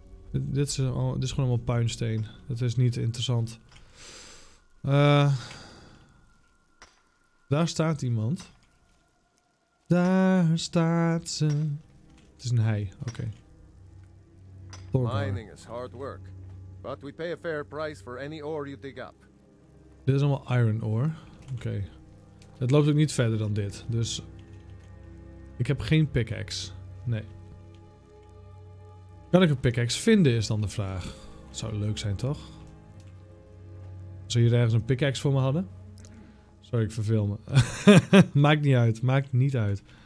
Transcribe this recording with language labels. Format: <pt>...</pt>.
<nl>Dit is gewoon allemaal puinsteen. Dat is niet interessant. Daar staat iemand. Daar staat ze. Het is een hij. Oké. Thorgar.</nl> <en>Mining is hard work, but we pay a fair price for any ore you dig up.</en> <nl>Dit is allemaal iron ore. Oké. Het loopt ook niet verder dan dit, dus... Ik heb geen pickaxe. Nee. Kan ik een pickaxe vinden, is dan de vraag. Dat zou leuk zijn, toch? Zou je ergens een pickaxe voor me hadden? Sorry, ik verveel me. Maakt niet uit. Maakt niet uit.</nl>